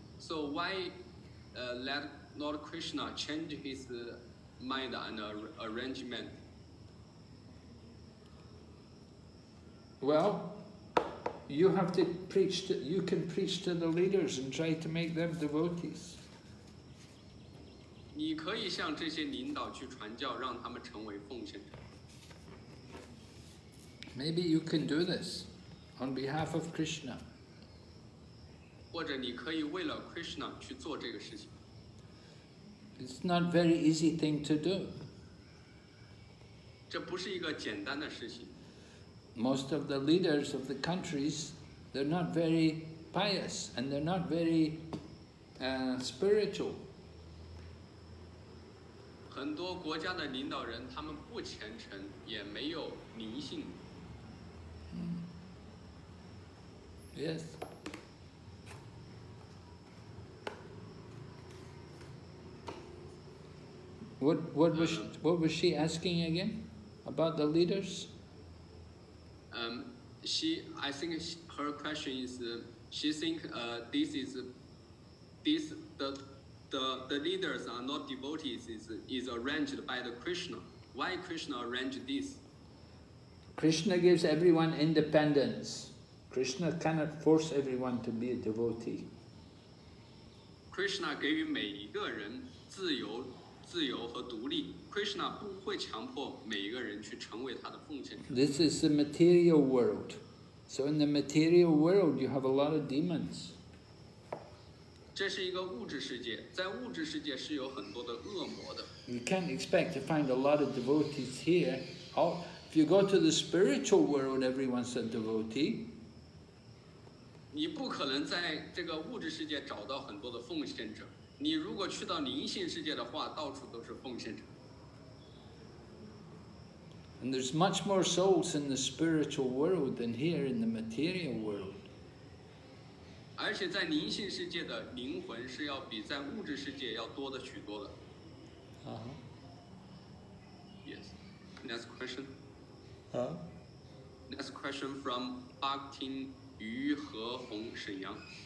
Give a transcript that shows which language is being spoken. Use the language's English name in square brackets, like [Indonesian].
[English] So why let Lord Krishna change his mind and arrangement? Well, you have to preach, you can preach to the leaders and try to make them devotees. [Chinese] 你可以向这些领导去传教，让他们成为奉献者。 [English] Maybe you can do this on behalf of Krishna. [Chinese] 或者你可以为了 Krishna 去做这个事情。 [English] It's not very easy thing to do. [Chinese] 这不是一个简单的事情。 [English] Most of the leaders of the countries, they're not very pious and they're not very spiritual. [Chinese] 很多国家的领导人他们不虔诚，也没有灵性。 [English] Yes. What was she asking again about the leaders? Her question is, she think the leaders are not devotees is arranged by the Krishna. Why Krishna arrange this? Krishna gives everyone independence. Krishna cannot force everyone to be a devotee. [Chinese] Krishna 给予每一个人自由。自由和独立 ，Krishna 不会强迫每一个人去成为他的奉献者。 [English] This is the material world, so in the material world you have a lot of demons. [Chinese] 这是一个物质世界，在物质世界是有很多的恶魔的。 [English] You can't expect to find a lot of devotees here. If you go to the spiritual world, everyone's a devotee. [Chinese] 你不可能在这个物质世界找到很多的奉献者。你如果去到灵性世界的话，到处都是奉献者。 [English] And there's much more souls in the spiritual world than here in the material world. [Chinese] 而且在灵性世界的灵魂是要比在物质世界要多的许多的。 [English] Uh-huh. Yes. Next question. Huh? Next question from Bhaktin Yu He Hong, Shenyang.